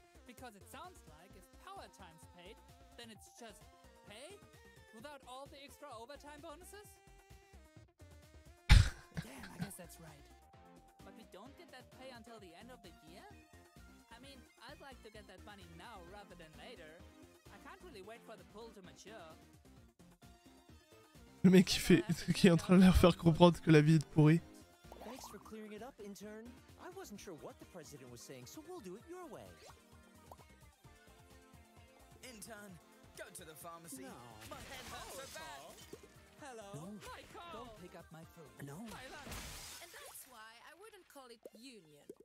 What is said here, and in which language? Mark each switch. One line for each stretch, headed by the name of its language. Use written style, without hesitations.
English: Because it sounds like if power time's paid, then it's just pay without all the extra overtime bonuses? Damn, I guess that's right. But we don't get that pay until the end of the year? I mean, I'd like to get that money now rather than later. I can't really wait for the pool to mature.
French: Le mec qui est en train de leur faire comprendre que la vie est pourrie.
English: Thanks for clearing it up, intern. I wasn't sure what the president was saying, so we'll do it your way. Intern, go to the pharmacy. No. My head hurts so bad. Hello. No. My car. Don't pick up my phone. No. My lunch. And that's why I wouldn't call it union.